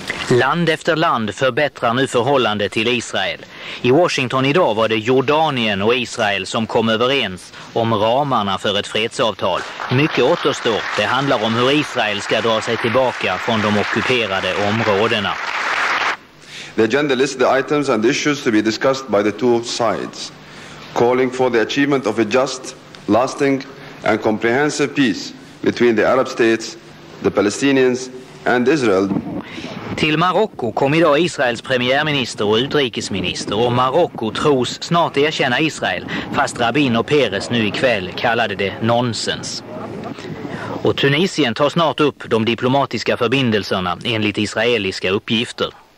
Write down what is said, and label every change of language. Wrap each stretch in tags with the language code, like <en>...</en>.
<sv>Land efter land förbättrar nu förhållandet till Israel. I Washington idag var det Jordanien och Israel som kom överens om ramarna för ett fredsavtal. Mycket återstår. Det handlar om hur Israel ska dra sig tillbaka från de ockuperade områdena.</sv> <en>The agenda lists the items and issues to be discussed by the two sides, calling for the achievement of a just, lasting and comprehensive peace between the Arab states, the Palestinians and Israel.</en> <sv>Till Marokko kom idag Israels premiärminister och utrikesminister, och Marokko tros snart erkänna Israel, fast Rabin och Peres nu ikväll kallade det nonsens. Och Tunisien tar snart upp de diplomatiska förbindelserna enligt israeliska uppgifter.</sv>